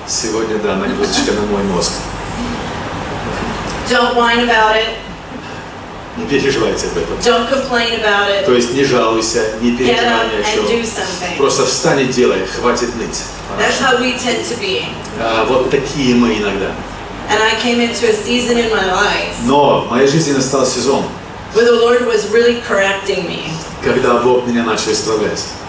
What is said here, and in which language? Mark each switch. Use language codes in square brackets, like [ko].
[ru] Сегодня, да, нагрузочка на мой мозг. [en] Don't whine about it. [ru] Не переживайте об этом. [en] Don't complain about it. [ru] То есть не жалуйся, не переживай ни о чем. [en] Get up and do something. [ru] Просто встань и делай, хватит ныть. [en] That's how we tend to be. [ru] Вот такие мы иногда. [en] And I came into a season in my life. [ru] Но в моей жизни настал сезон. [en] Where the Lord was really correcting me. [ru] Когда Бог меня начал исправлять.